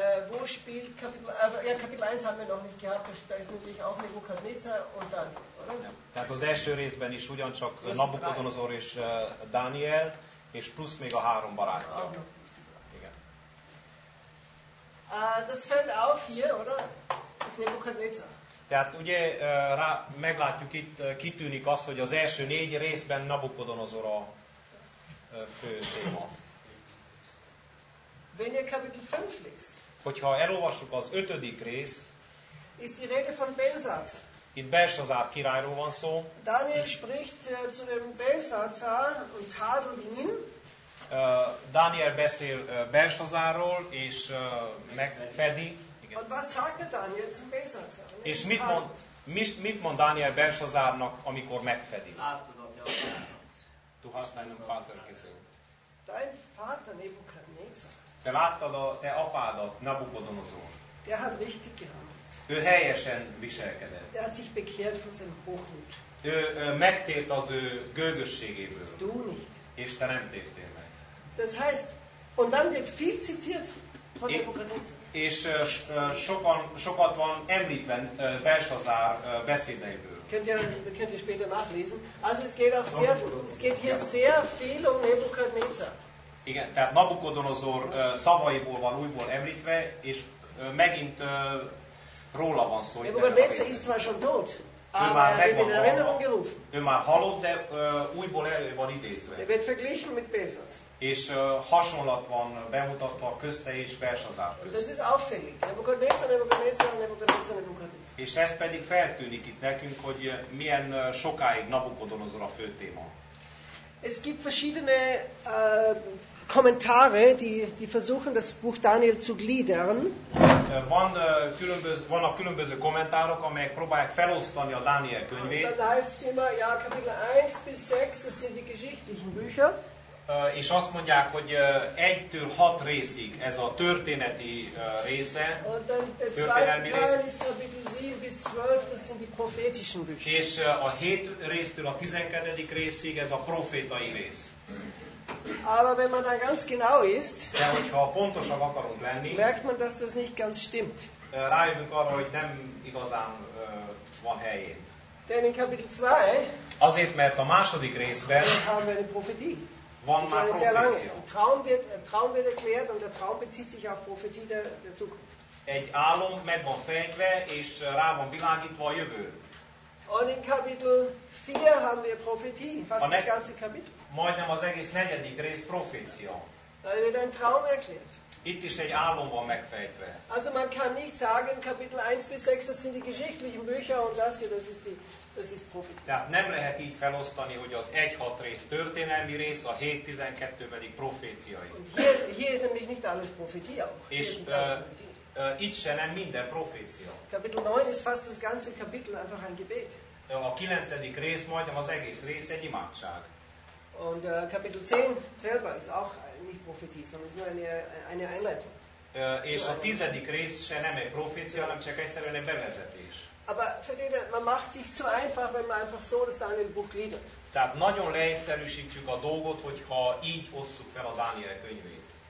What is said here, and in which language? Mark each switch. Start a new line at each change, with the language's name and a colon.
German: Wo spielt Kapitel 1 haben wir noch nicht gehabt, da ist natürlich auch Nebukadnezar und Daniel, oder? Ja.
Hungarian: Tehát az első részben is ugyancsak Nabukodonozor és Daniel, és plusz még a három barátja. Ah, igen.
German: Das fällt auf hier, oder? Das Nebukadnezar.
Hungarian: Tehát ugye meglátjuk itt, kitűnik az, hogy az első négy részben Nabukodonozor a fő téma.
German: Wenn ihr Kapitel 5 liest,
Hungarian: hogyha elolvassuk az ötödik részt,
German: ist die Rede von Belsatzer.
Hungarian: Itt Belsazár királyról van szó.
German: Daniel spricht zu dem Belsazar und tadelt ihn.
Hungarian: Daniel beszél Belsazárról és megfedi.
German: Und was sagte Daniel zum Belsazar?
Hungarian: És mit mond Daniel Belsazárnak, amikor megfedi?
German: Du hast deinen Vater gesehen. Dein Vater Nebukadnezar.
Hungarian: Te láttad te apádat, Nabukodonozor.
German: Der hat richtig gehandelt.
Hungarian: Ő helyesen viselkedett.
German: Er hat sich bekehrt von seinem Hochmut.
Hungarian: Ő megtért az ő gőgösségéből.
German: Du nicht.
Hungarian: És te nem tértél meg.
German: Das heißt, und dann wird viel zitiert von Nebukadnezar.
Hungarian: És sokat van említve Belsazár beszédeiből.
German: Könnt ihr später nachlesen. Also es geht hier sehr viel um Nebukadnezar.
Hungarian: Igen, tehát Nabukodonozor szavaiból van újból említve, és megint róla van szó.
German: Nebukadnezar ist zwar schon tot, aber er wird in Erinnerung gerufen.
Hungarian: Ő már halott, de újból elő van idézve.
German: Er wird verglichen mit Belsazar.
Hungarian: És hasonlat van bemutatva közte és Belsazár közt.
German: Das ist auffällig. Nebukadnezar.
Hungarian: És ez pedig feltűnik itt nekünk, hogy milyen sokáig Nabukodonozor a fő téma.
German: Es gibt verschiedene Kommentare, die versuchen das Buch Daniel zu gliedern.
Hungarian: Vannak különböző kommentárok, amelyek próbálják felosztani a Dániel könyvét.
German: Da heißt immer, ja, Kapitel 1 bis 6, das sind die geschichtlichen Bücher.
Hungarian: És azt mondják, hogy 1-től 6 részig ez a történeti része. Történelmi rész.
German: Teil ist Kapitel 7 bis 12, das sind die prophetischen Bücher.
Hungarian: És a 7 résztől a 12. részig ez a profétai rész.
German: Aber wenn man da ganz genau ist,
Hungarian: de hogyha pontosan akarunk lenni,
German: merkt man, dass das nicht ganz stimmt.
Hungarian: Rájövünk arra, hogy nem igazán van helyén.
German: Denn in Kapitel 2,
Hungarian: azért, mert a második részben
German: haben wir eine Prophetie.
Hungarian: Van már profécia.
German: Traum wird erklärt, und der Traum bezieht sich auf Prophetie der Zukunft.
Hungarian: Egy álom meg van fejtve, és rá van világítva a jövő.
German: Und in Kapitel 4 haben wir Prophetie, fast das ganze Kapitel.
Hungarian: Majdnem az egész negyedik rész profécia.
German: Da wird ein Traum erklärt.
Hungarian: Itt is egy álom van megfejtve.
German: Also man kann nicht sagen, Kapitel 1 bis 6, das sind die geschichtlichen Bücher, und das hier, das ist Prophetie.
Hungarian: Tehát nem lehet így felosztani, hogy az 1-6 rész történelmi rész, a 7-12 pedig proféciai.
German: Hier ist nämlich nicht alles Prophetie auch.
Hungarian: És itt se nem minden profécia.
German: Kapitel 9 ist fast das ganze Kapitel, einfach ein Gebet.
Hungarian: A 9. rész majdnem az egész rész egy imádság.
German: Und Kapitel 10 selber ist auch nicht Prophetie, sondern ist nur eine Einleitung.
Hungarian: És a 10. rész se nem egy profécia, hanem csak egyszerűen egy bevezetés.
German: Aber versteht, man macht sich zu einfach, wenn man einfach so das Daniel Buch gliedert.
Hungarian: Tehát nagyon leegyszerűsítjük a dolgot, hogyha így osszuk fel a Dániel könyvét.